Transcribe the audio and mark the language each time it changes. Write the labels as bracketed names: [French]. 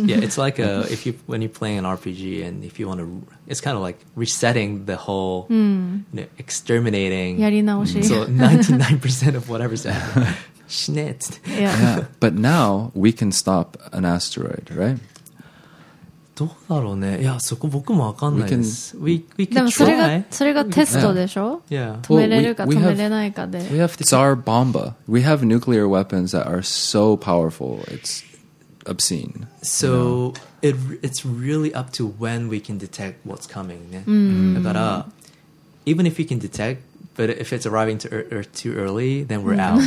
[English] Yeah, it's like a, if you, when you're playing an RPG and if you want to, it's kind of like resetting the whole, you know, exterminating. So 99% of whatever's out there. Schnitzed. Yeah. Yeah. But now we can stop an asteroid, right? [Japanese] どうだろうね。いや、そこ僕もわかんないです。でもそれがテストでしょ。 [English] Yeah. [Japanese] 止めれるか止めれないかで。 [English] We have Tsar Bomba. We have nuclear weapons that are so powerful. It's obscene. So it's really up to when we can detect what's coming. [Japanese] ね。だから、 [English] even if we can detect, but if it's arriving to Earth too early, then we're out.